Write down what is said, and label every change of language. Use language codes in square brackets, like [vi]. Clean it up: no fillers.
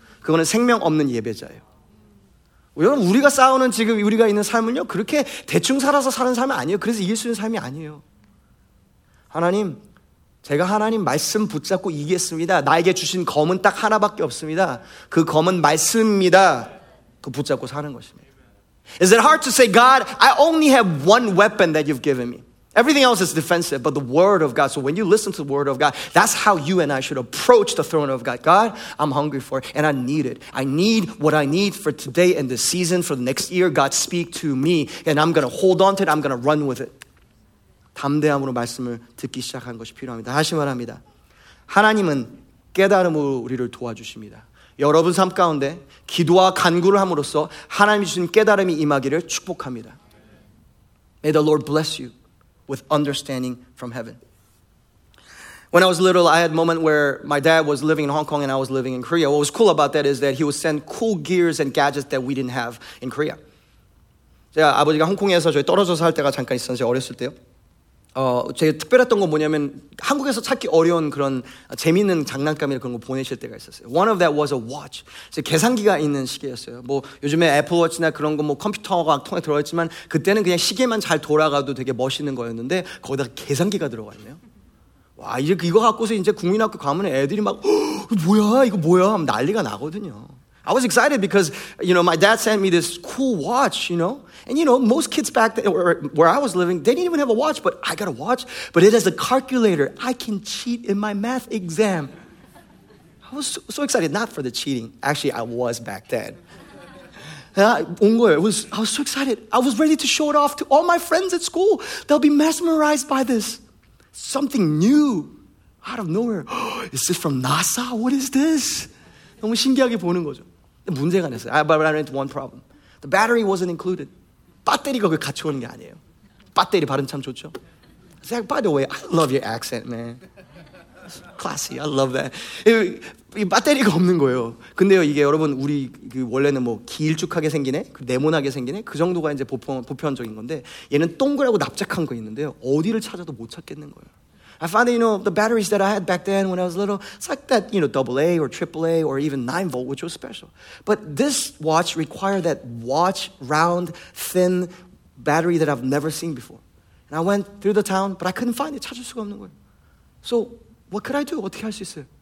[ko] 그거는 생명 없는 예배자예요. 여러분 우리가 싸우는 지금 우리가 있는 삶은요 그렇게 대충 살아서 사는 삶이 아니에요. 그래서 이길 수 있는 삶이 아니에요. 하나님, 제가 하나님 말씀 붙잡고 이기겠습니다. 나에게 주신 검은 딱 하나밖에 없습니다. 그 검은 말씀입니다. 그 붙잡고 사는 것입니다. [en] Is it hard to say, God, I only have one weapon that you've given me? Everything else is defensive, but the word of God. So when you listen to the word of God, that's how you and I should approach the throne of God. God, I'm hungry for it, and I need it. I need what I need for today and this season, for the next year. God, speak to me, and I'm going to hold on to it. I'm going to run with it. [ko] 담대함으로 말씀을 듣기 시작한 것이 필요합니다. 다시 말합니다. 하나님은 깨달음으로 우리를 도와주십니다. 여러분 삶 가운데 기도와 간구를 함으로써 하나님이 주신 깨달음이 임하기를 축복합니다. [en] May the Lord bless you with understanding from heaven. When I was little, I had a moment where my dad was living in Hong Kong and I was living in Korea. What was cool about that is that he would send cool gears and gadgets that we didn't have in Korea. [ko] 제가 아버지가 홍콩에서 저희 떨어져 살 때가 잠깐 있었어요. 어렸을 때요. 제일 특별했던 건 뭐냐면 한국에서 찾기 어려운 그런 재미있는 장난감이나 그런 거 보내실 때가 있었어요. [en] One of that was a watch. [ko] 계산기가 있는 시계였어요. 뭐 요즘에 애플워치나 그런 거 뭐 컴퓨터가 통에 들어있지만 그때는 그냥 시계만 잘 돌아가도 되게 멋있는 거였는데 거기다 계산기가 들어가 있네요. 와, 이제 이거 갖고서 이제 국민학교 가면 애들이 막 뭐야 이거 뭐야 하면 난리가 나거든요. [en] I was excited because, you know, my dad sent me this cool watch, you know. And, you know, most kids back then, where I was living, they didn't even have a watch, but I got a watch. But it has a calculator. I can cheat in my math exam. I was so excited. Not for the cheating. Actually, I was back then. I was so excited. I was ready to show it off to all my friends at school. They'll be mesmerized by this. Something new out of nowhere. Is this from NASA? What is this? [ko] 너무 신기하게 보는 거죠. 문제가 됐어요. [en] But I ran into one problem. The battery wasn't included. [ko] 배터리가 그걸 같이 오는 게 아니에요. 배터리 발음 참 좋죠. [en] Zach, by the way, I love your accent, man. Classy, I love that. [ko] 이 배터리가 없는 거예요. 근데요, 이게 여러분 우리 그 원래는 뭐 길쭉하게 생기네, 네모나게 생기네 그 정도가 이제 보편적인 건데 얘는 동그랗고 납작한 거 있는데요. 어디를 찾아도 못 찾겠는 거예요. [en] I found that, you know, the batteries that I had back then when I was little, it's like that, you know, AA or AAA or even 9 volt, which was special. But this watch required that watch, round, thin battery that I've never seen before. And I went through the town, but I couldn't find it. [ko] 찾을 수가 없는 거예요. [en] So what could I do? [ko] 어떻게 할 수 있어요?